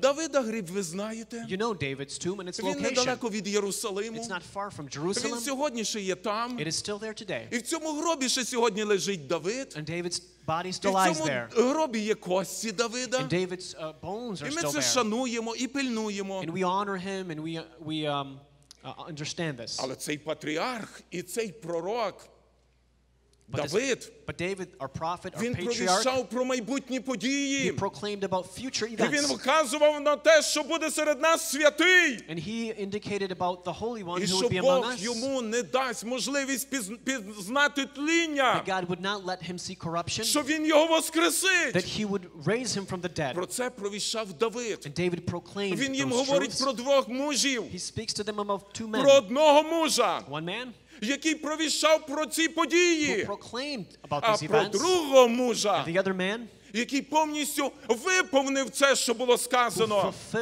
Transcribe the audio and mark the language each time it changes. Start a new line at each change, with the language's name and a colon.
Ukrainian: Давида гріб ви знаєте?
English: You know David's tomb and its
Ukrainian: він
English: location.
Ukrainian: Він недалеко від Єрусалиму.
English: It's not far from Jerusalem.
Ukrainian: Він сьогодні ще є там.
English: It is still there today.
Ukrainian: І в цьому гробі ще сьогодні лежить Давид.
English: And David's body still lies there.
Ukrainian: І в цьому гробі є кості Давида.
English: And David's bones are still there.
Ukrainian: І ми це шануємо і пильнуємо.
English: And we honor him and we understand this.
Ukrainian: Але цей патріарх і цей пророк Давид,
English: but David, our prophet,
Ukrainian: він провіщав про майбутні події.
English: He proclaimed about future events.
Ukrainian: І він вказував на те, що буде серед нас святий.
English: And he indicated about the Holy One who would be among us.
Ukrainian: І що Бог йому не дасть можливість пізнати тління.
English: That God would not let him see corruption.
Ukrainian: Що він його воскресить.
English: That he would raise him from the dead.
Ukrainian: Про це провіщав Давид.
English: And David proclaimed.
Ukrainian: Він їм говорить про двох мужів.
English: He speaks to them about two men.
Ukrainian: Про одного мужа.
English: One man.
Ukrainian: Який провіщав про ці події,
English: events,
Ukrainian: а про другого мужа, який повністю виповнив це, що було сказано.